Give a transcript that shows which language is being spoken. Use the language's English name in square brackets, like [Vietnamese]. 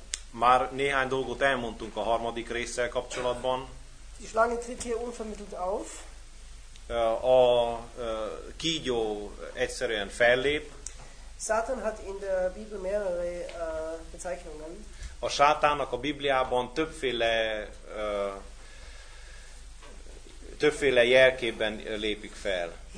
[Hungarian] Már néhány dolgot elmondtunk a harmadik résszel kapcsolatban. [German] Die Schlange tritt hier unvermittelt auf. [Hungarian] A kígyó egyszerűen fellép. [German] Satan hat in der Bibel mehrere Bezeichnungen. [Hungarian] A sátánnak a Bibliában többféle többféle jelképben lépik fel.